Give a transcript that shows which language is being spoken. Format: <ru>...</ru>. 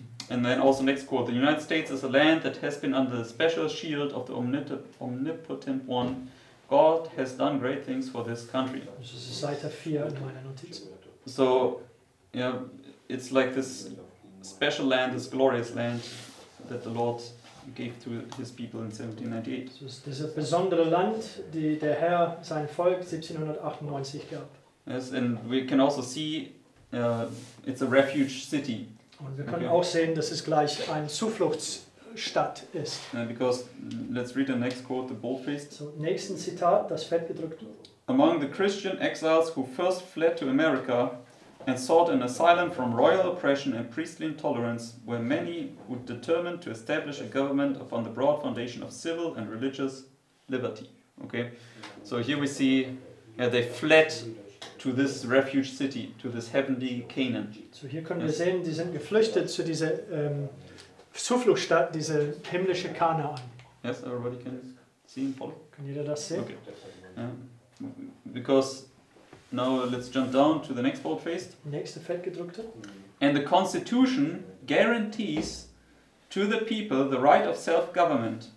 <en>And then also next quote, the United States is a land that has been under the special shield of the omnipotent one. God has done great things for this country. This is a site of fear</en> <de>in meiner Notiz.</de> <en>So, yeah, it's like this special land, this glorious land that the Lord gave to his people in 1798.</en> <de>Das ist ein besonderes Land, die der Herr sein Volk 1798 gab.</de> <en>Yes, and we can also see it's a refuge city.</en> <de>Und wir können auch sehen, dass es gleich ein Zufluchtsstadt ist.</de> <en>Because let's read the next quote, the bold-faced.</en> <de>So, nächsten Zitat, das fett gedrückt.</de> <en>Among the Christian exiles who first fled to America and sought an asylum from royal oppression and priestly intolerance, were many who determined to establish a government upon the broad foundation of civil and religious liberty. Okay, so here we see they fled to this refuge city, to this heavenly Canaan.</en> <de>So hier können wir sehen, die sind geflüchtet zu dieser Zufluchtsstadt, diese himmlische Kanaan.</de> <en>Yes, everybody can see and follow.</en> <de>Kann jeder das sehen?</de> <en>Okay. Because now let's jump down to the next bold-faced.</en> <de>Nächste fett gedruckte.</de> <en>And the Constitution guarantees to the people the right of self-government.</en>